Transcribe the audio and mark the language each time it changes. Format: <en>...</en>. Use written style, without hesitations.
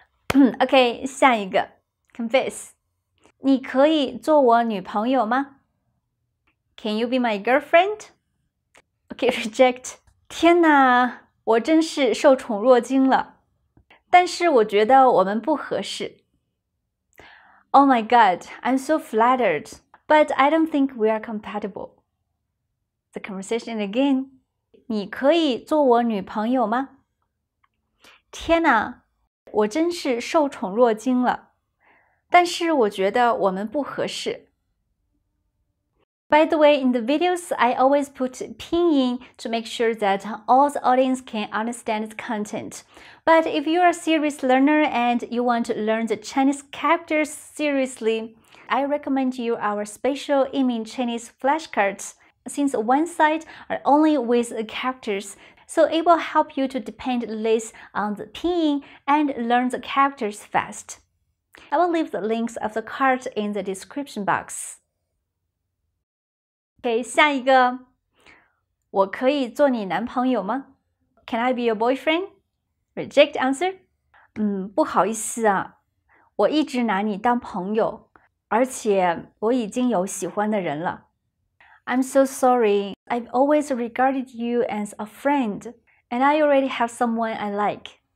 <en>Okay,</en> <zh>下一个</zh> <en>confess.</en> <zh>你可以做我女朋友吗？</zh> <en>Can you be my girlfriend? Okay, reject.</en> <zh>天哪，我真是受宠若惊了。但是我觉得我们不合适。</zh> <en>Oh my god, I'm so flattered, but I don't think we are compatible. The conversation again.</en> <zh>你可以做我女朋友吗？天哪，我真是受宠若惊了。但是我觉得我们不合适。</zh> <en>By the way, in the videos, I always put pinyin to make sure that all the audience can understand the content. But if you are a serious learner and you want to learn the Chinese characters seriously, I recommend you our special Yiming Chinese flashcards. Since one side are only with the characters, so it will help you to depend less on the pinyin and learn the characters fast. I will leave the links of the cards in the description box. Okay,</en> <zh>下一个。我可以做你男朋友吗？</zh> <en>Can I be your boyfriend? Reject answer.</en> <zh>不好意思啊，我一直拿你当朋友，而且我已经有喜欢的人了。</zh> <en>I'm so sorry. I've always regarded you as a friend, and I already have someone I like.</en>